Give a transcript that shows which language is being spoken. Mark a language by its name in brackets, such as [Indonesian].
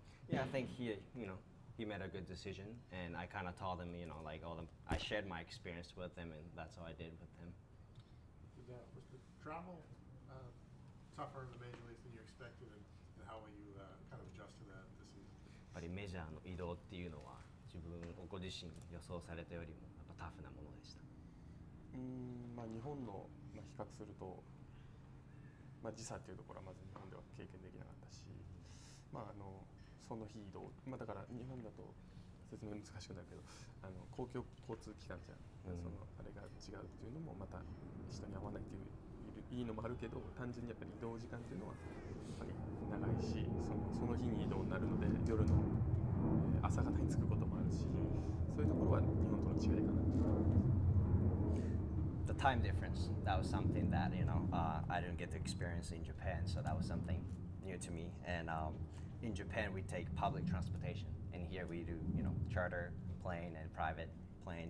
[English] Yeah, I think he made a good decision, and I kind of told him, you know, like all the, I shared my experience with him, and that's all I did with him. Was the travel tougher in the major leagues than you expected, and how will you kind of adjust to that this season? [Japanese] やっぱりメジャーの移動っていうのは自分をご自身予想されたよりもやっぱタフなものでした。まあ日本の、まあ、比較すると、まあ時差っていうところはまず日本では経験できなかったし、まああの。その日移動、まあ、だから日本だと説明難しくなるけど、あの公共交通機関じゃん、うん、そのあれが違うっていうのもまた人に合わないっていういいのもあるけど、単純にやっぱり移動時間っていうのはやっぱり長いし、その日に移動になるので夜の朝方に着くこともあるし、そういうところは日本との違いかな。 [English] The time difference, that was something that, you know, I didn't get to experience in Japan, so that was something new to me. And, in Japan, we take public transportation, and here we do, you know, charter plane and private plane.